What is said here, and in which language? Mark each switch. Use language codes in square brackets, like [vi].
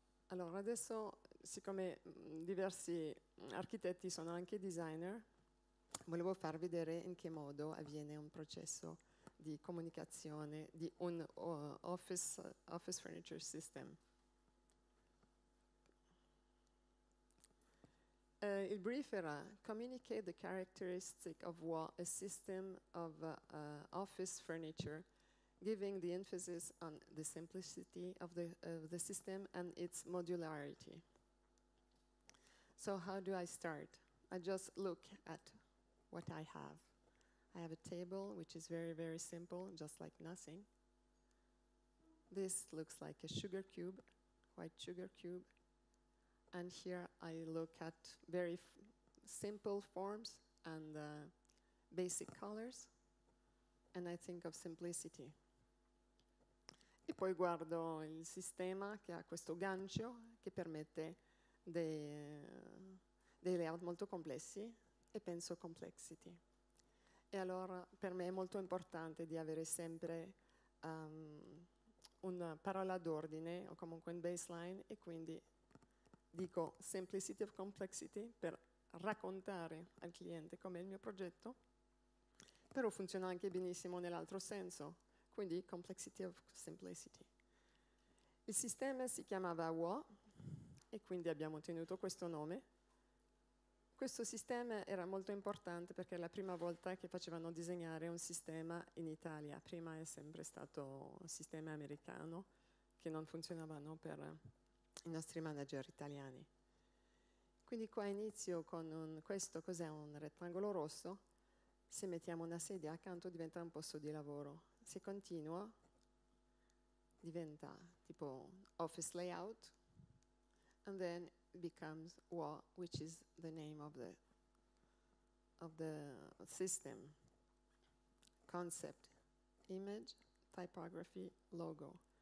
[it] Allora, adesso, siccome diversi architetti sono anche designer, volevo far vedere in che modo avviene un processo di comunicazione di un office furniture system. Il brief era [en] communicate the characteristic of what a system of office furniture, giving the emphasis on the simplicity of the system and its modularity. So how do I start? I just look at what I have. I have a table which is very, very simple, just like nothing. This looks like a sugar cube, white sugar cube. And here I look at very simple forms and basic colors, and I think of simplicity. [it] E poi guardo il sistema che ha questo gancio che permette dei layout molto complessi e penso complexity. E allora per me è molto importante di avere sempre una parola d'ordine o comunque un baseline, e quindi dico [en] simplicity of complexity [it] per raccontare al cliente com'è il mio progetto, però funziona anche benissimo nell'altro senso, quindi [en] complexity of simplicity. [it] Il sistema si chiamava WO e quindi abbiamo tenuto questo nome. Questo sistema era molto importante perché è la prima volta che facevano disegnare un sistema in Italia. Prima è sempre stato un sistema americano che non funzionavano per i nostri manager italiani. Quindi qua inizio con questo, cos'è un rettangolo rosso? Se mettiamo una sedia accanto diventa un posto di lavoro. Se continua diventa tipo [en] office layout, and then becomes WO, which is the name of the system. Concept, image, typography, logo.